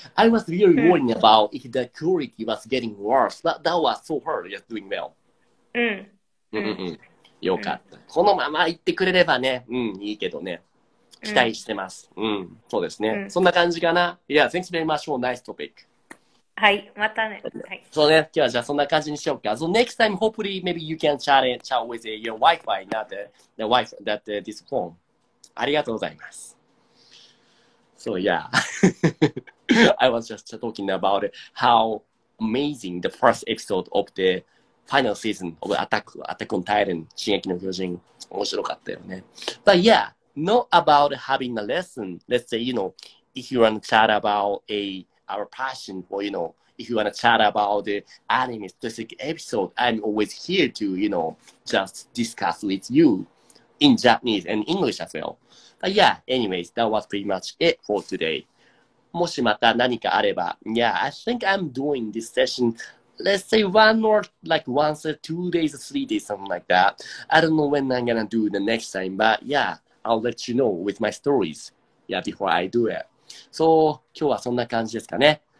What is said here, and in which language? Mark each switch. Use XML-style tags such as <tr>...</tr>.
<en>I was really worried about if the quality was getting worse, but that was so far, you're doing well.</en> <ja>よかった。このまま行ってくれればね、いいけどね。期待してます。そうですね。そんな感じかな。</ja> <en>Yeah, thanks very much for nice topic.</en> <ja>はい、またね。はい。そうね。今日はじゃあそんな感じにしようか。</ja> <en>So next time, hopefully, maybe you can chat with your Wi-Fi, not the Wi-Fi, that this phone.</en> <ja>ありがとうございます。</ja> <en>So yeah. I was just talking about how amazing the first episode of the final season of Attack on Titan, 進撃の巨人。</en> <ja>面白かったよね。</ja> <en>But yeah, not about having a lesson. Let's say, you know, if you want to chat about our passion for, you know, if you want to chat about the anime specific episode, I'm always here to, you know, just discuss with you in Japanese and English as well. But yeah, anyways, that was pretty much it for today.</en> <ja>もしまた何かあれば、</ja> <en>yeah, I think I'm doing this session, let's say one or like once, 2 days, 3 days, something like that. I don't know when I'm gonna do the next time, but yeah, I'll let you know with my stories, yeah, before I do it.</en> <ja>So, 今日はそんな感じですかね。</ja>